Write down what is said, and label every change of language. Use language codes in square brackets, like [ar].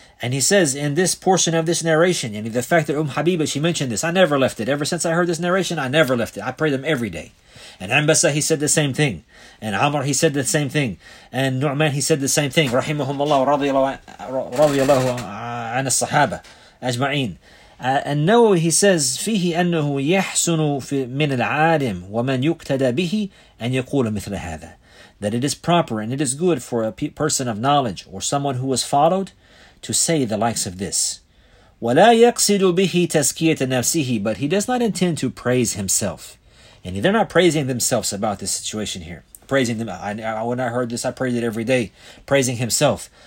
[en] And he says in this portion of this narration, and the fact that Habiba, she mentioned this, I never left it. Ever since I heard this narration, I never left it. I pray them every day. And Anbasa, he said the same thing. And Amr, he said the same thing. And Nu'man, he said the same thing. [ar] Rahimahumullah, radiyallahu an as-sahaba, ajma'in. And now he says, فيه أنه يحسن من العالم ومن يقتدى به أن يقول مثل هذا. [en] That it is proper and it is good for a person of knowledge or someone who was followed to say the likes of this. [ar] ولا يقصد به تزكية نفسه. [en] But he does not intend to praise himself. And they're not praising themselves about this situation here. Praising them. When I heard this, I prayed it every day. Praising himself.